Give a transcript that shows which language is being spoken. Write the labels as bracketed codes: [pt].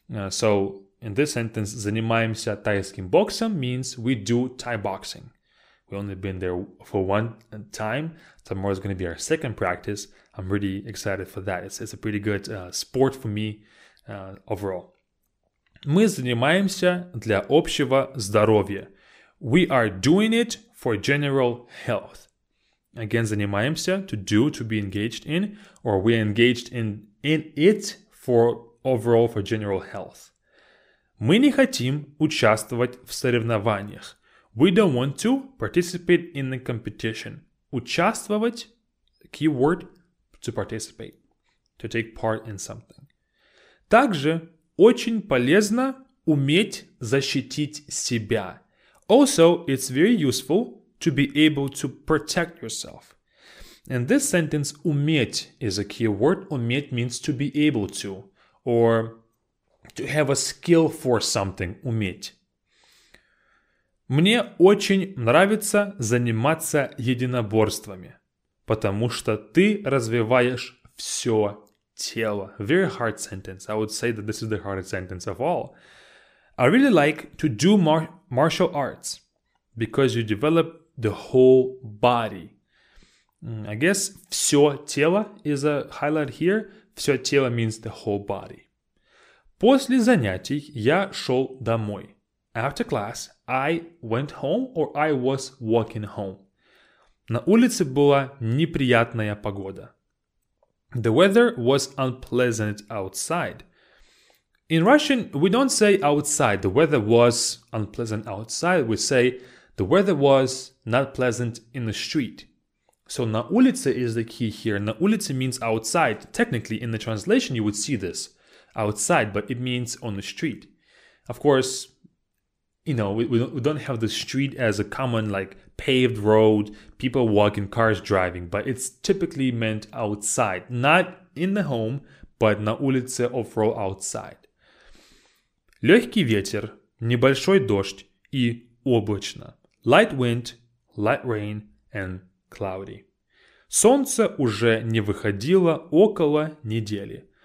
[en] So in this sentence, [ru] занимаемся тайским боксом [en] means we do Thai boxing. We've only been there for one time. Tomorrow is going to be our second practice. I'm really excited for that. It's a pretty good sport for me overall. [ru] Мы занимаемся для общего здоровья. [en] We are doing it for general health. Again, занимаемся, to do, to be engaged in, or we're engaged in it for overall, for general health. [ru] Мы не хотим участвовать в соревнованиях. [en] We don't want to participate in the competition. Участвовать, keyword, to participate, to take part in something. [ru] Также очень полезно уметь защитить себя. [en] Also, it's very useful to be able to protect yourself. In this sentence, уметь is a key word. Уметь means to be able to, or to have a skill for something, уметь. [ru] Мне очень нравится заниматься единоборствами. Потому что ты развиваешь все тело. [en] Very hard sentence. I would say that this is the hardest sentence of all. I really like to do martial arts because you develop the whole body. I guess [ru] все тело [en] is a highlight here. [ru] Все тело [en] means the whole body. [ru] После занятий я шел домой. [en] After class, I went home or I was walking home. [ru] На улице была неприятная погода. [en] The weather was unpleasant outside. In Russian, we don't say outside. The weather was unpleasant outside. We say the weather was not pleasant in the street. So [ru] на улице [en] is the key here. На улице means outside. Technically, in the translation, you would see this outside, but it means on the street. Of course, you know, we don't have the street as a common, like, paved road, people walking, cars driving, but it's typically meant outside, not in the home, but [ru] на улице, [en] off-road, outside. [ru] Легкий ветер, небольшой дождь и облачно. [en] Light wind, light rain, and cloudy. [ru] Солнце уже не выходило около недели.